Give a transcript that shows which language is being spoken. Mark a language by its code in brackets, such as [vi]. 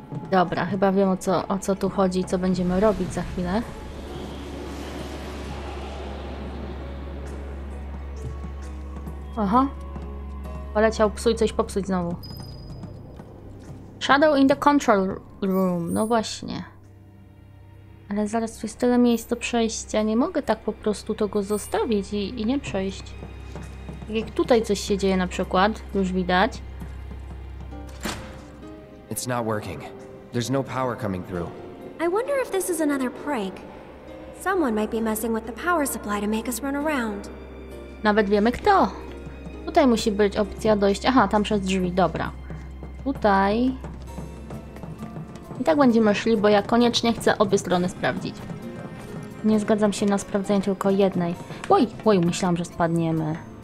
[pl] Dobra, chyba wiem o co tu chodzi, co będziemy robić za chwilę. Oho. Poleciał psuj coś popsuć znowu. [en] Shadow in the control room. [pl] No właśnie. Ale zaraz tu jest tyle miejsca do przejścia. Nie mogę tak po prostu tego zostawić i nie przejść. Tak jak tutaj coś się dzieje na przykład, już widać. [en] It's not working. There's no power coming through. I wonder if this is another prank. Someone might be messing with the power supply to make us run around. [pl] Nawet wiemy kto. Tutaj musi być opcja dojść. Aha, tam przez drzwi, dobra. Tutaj. I tak będziemy szli, bo ja koniecznie chcę obie strony sprawdzić. Nie zgadzam się na sprawdzenie tylko jednej. Oj, oj, myślałam, że spadniemy.